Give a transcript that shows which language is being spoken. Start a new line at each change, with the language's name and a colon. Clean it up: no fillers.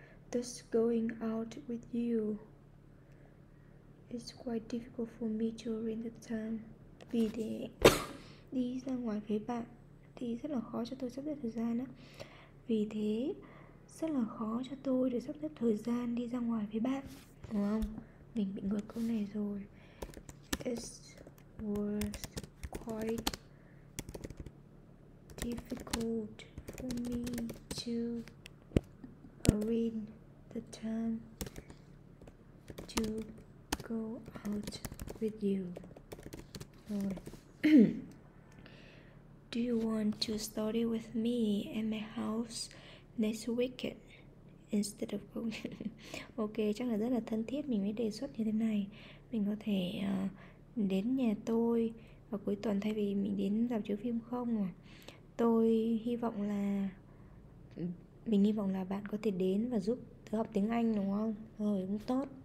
English: Thus going out with you is quite difficult for me during the time.
Vietnamese: Vì thế đi ra ngoài với bạn thì rất là khó cho tôi sắp xếp thời gian đó. Vì thế rất là khó cho tôi để sắp xếp thời gian đi ra ngoài với bạn, đúng không? Mình bị ngược câu này rồi.
English: It was quite difficult for me to arrange the time. to go out with you? Rồi. Do you want to study with me at my house next weekend instead of going?
Vietnamese: Ok, chắc là rất là thân thiết mình mới đề xuất như thế này. Mình có thể đến nhà tôi vào cuối tuần thay vì mình đến rạp chiếu phim không? Tôi hy vọng là mình hy vọng là bạn có thể đến và giúp tớ học tiếng Anh đúng không? Rồi cũng tốt.